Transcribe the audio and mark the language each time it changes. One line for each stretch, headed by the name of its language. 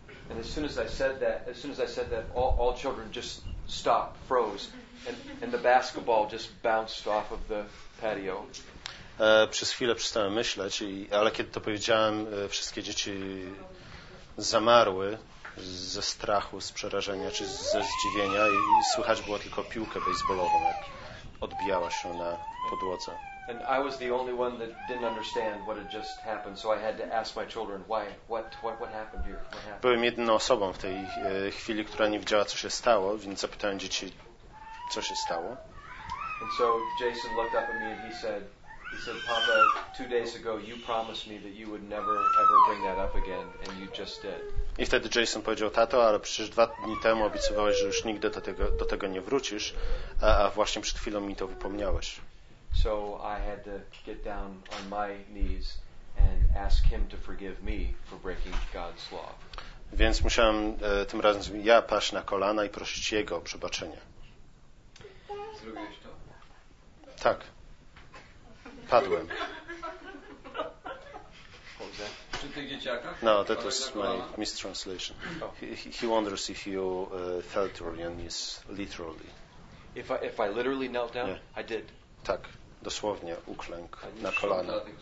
English: And as soon as I said that, all children just stopped, froze, and the basketball just bounced off of the patio.
Polish: Przez chwilę przestałem myśleć, ale kiedy to powiedziałem, wszystkie dzieci zamarły ze strachu, z przerażenia czy ze zdziwienia i słychać było tylko piłkę baseballową, jak odbijała się na podłodze.
English: And I was the only one that didn't understand what had just happened, so I had to ask my children why, what happened here.
Polish: Byłem jedyną osobą w tej chwili, która nie widziała, co się stało, więc zapytałem dzieci, co się stało.
English: And so Jason looked up at me and he said, Papa, 2 days ago you promised me that you would never ever bring that up again, and you just did.
Polish: I wtedy Jason powiedział, tato, ale przecież 2 dni temu obiecywałeś, że już nigdy do tego nie wrócisz, a właśnie przed chwilą mi to wypomniałeś.
English: So I had to get down on my knees and ask him to forgive me for breaking God's law.
Polish: Więc musiałem tym razem ja paść na kolana i prosić jego o przebaczenie. Zrobiłeś to? Tak. Padłem. Czy ty dzieciaka?
English: No, that was my mistranslation. He wonders if you fell to your knees literally. If I literally knelt down, yeah. I did.
Polish: Tak. Dosłownie uklęk na kolana.